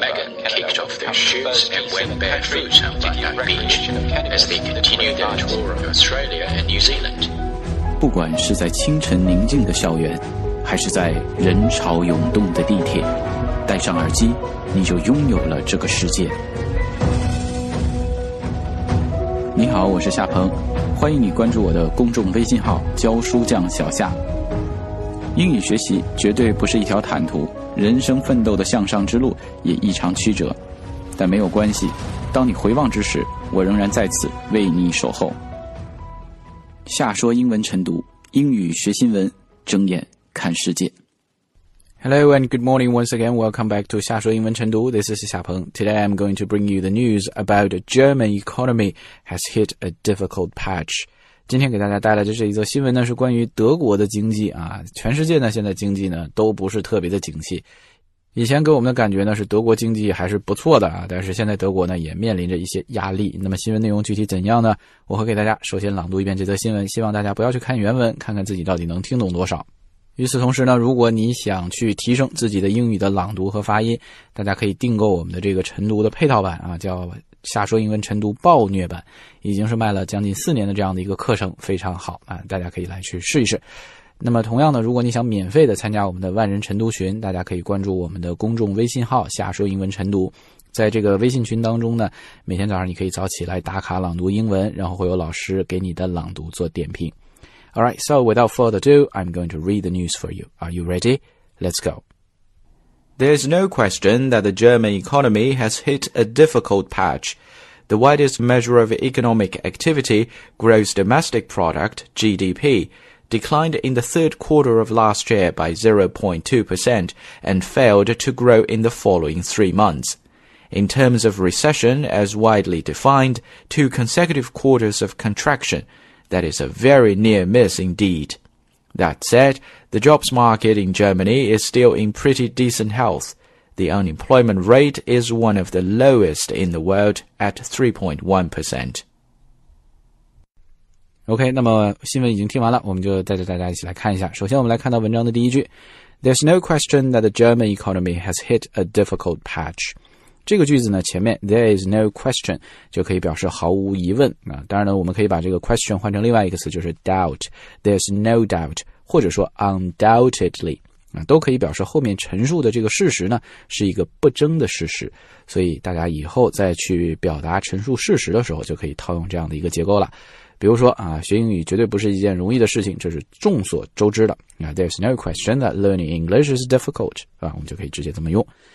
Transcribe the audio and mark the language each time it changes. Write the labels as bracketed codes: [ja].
[en] Megan kicked off their shoots and went barefoot on Bondi Beach as they continued their tour of Australia and New Zealand. [zh] 不管是在清晨宁静的校园，还是在人潮涌动的地铁，戴上耳机，你就拥有了这个世界。你好，我是夏鹏，欢迎你关注我的公众微信号教书匠小夏。英语学习绝对不是一条坦途，人生奋斗的向上之路也异常曲折，但没有关系，当你回望之时，我仍然在此为你守候。夏说英文晨读，英语学新闻，睁眼看世界。 [en] Hello and good morning once again. Welcome back to 夏说英文晨读.This is 夏鹏. Today I'm going to bring you the news about German economy has hit a difficult patch. [zh] 今天给大家带来的这一则新闻呢，是关于德国的经济啊。全世界呢，现在经济呢都不是特别的景气。以前给我们的感觉呢，是德国经济还是不错的啊，但是现在德国呢也面临着一些压力。那么新闻内容具体怎样呢？我会给大家首先朗读一遍这则新闻，希望大家不要去看原文，看看自己到底能听懂多少。与此同时呢，如果你想去提升自己的英语的朗读和发音，大家可以订购我们的这个晨读的配套版啊，叫夏说英文晨读暴虐版，已经是卖了将近4年的这样的一个课程，非常好啊，大家可以来去试一试。那么同样呢，如果你想免费的参加我们的万人晨读群，大家可以关注我们的公众微信号夏说英文晨读。在这个微信群当中呢，每天早上你可以早起来打卡朗读英文，然后会有老师给你的朗读做点评。 [en] Alright, so without further ado, I'm going to read the news for you. Are you ready? Let's go. There's no question that the German economy has hit a difficult patch. The widest measure of economic activity, gross domestic product, GDP, declined in the third quarter of last year by 0.2% and failed to grow in the following 3 months. In terms of recession, as widely defined, 2 consecutive quarters of contraction, that is a very near miss indeed. That said, the jobs market in Germany is still in pretty decent health. The unemployment rate is one of the lowest in the world at 3.1%. [zh] OK, 那么新闻已经听完了，我们就带着大家一起来看一下。首先我们来看到文章的第一句。 [en] There's no question that the German economy has hit a difficult patch. [zh] 这个句子呢，前面 [en] there is no question [zh] 就可以表示毫无疑问啊。当然呢，我们可以把这个 question 换成另外一个词，就是 doubt。 [en] There's no doubt， [zh] 或者说 undoubtedly 啊，都可以表示后面陈述的这个事实呢是一个不争的事实。所以大家以后再去表达陈述事实的时候，就可以套用这样的一个结构了。比如说啊，学英语绝对不是一件容易的事情，这是众所周知的啊。 [en] There's no question that learning English is difficult 啊， [zh] 我们就可以直接这么用。